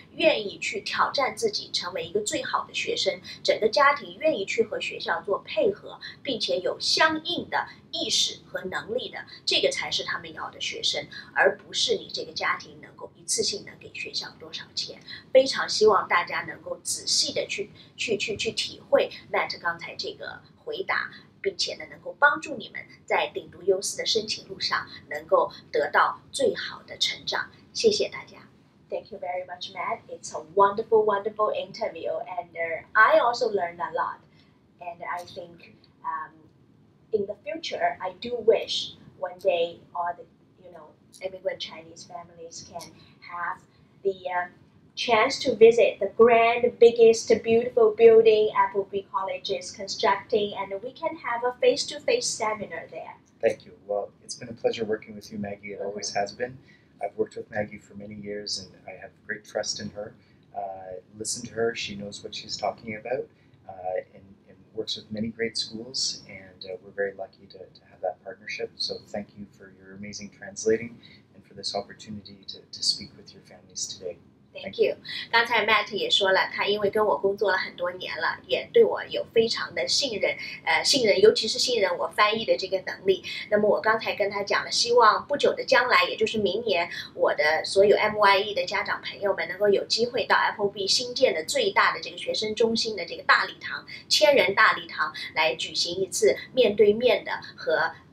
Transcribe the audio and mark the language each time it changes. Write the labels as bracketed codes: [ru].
[zh] 愿意去挑战自己成为一个最好的学生，整个家庭愿意去和学校做配合，并且有相应的意识和能力的，这个才是他们要的学生，而不是你这个家庭能够一次性的给学校多少钱。非常希望大家能够仔细的去体会 Matt 刚才这个回答，并且呢能够帮助你们在顶读优思的申请路上能够得到最好的成长。谢谢大家。 [en] Thank you very much, Matt. It's a wonderful, wonderful interview, and I also learned a lot. And I think in the future, I do wish one day all the, you know, immigrant Chinese families can have the chance to visit the grand, biggest, beautiful building Appleby College is constructing, and we can have a face-to-face seminar there. Thank you. Well, it's been a pleasure working with you, Maggie. It always has been. I've worked with Maggie for many years, and I have great trust in her. Listen to her. She knows what she's talking about, and works with many great schools, and we're very lucky to have that partnership. So thank you for your amazing translating and for this opportunity to speak with your families today. Thank you. [zh] 刚才 Matt 也说了，他因为跟我工作了很多年了，也对我有非常的信任，信任，尤其是信任我翻译的这个能力。那么我刚才跟他讲了，希望不久的将来，也就是明年，我的所有 MYE 的家长朋友们能够有机会到 Appleby 新建的最大的这个学生中心的这个大礼堂，千人大礼堂来举行一次面对面的和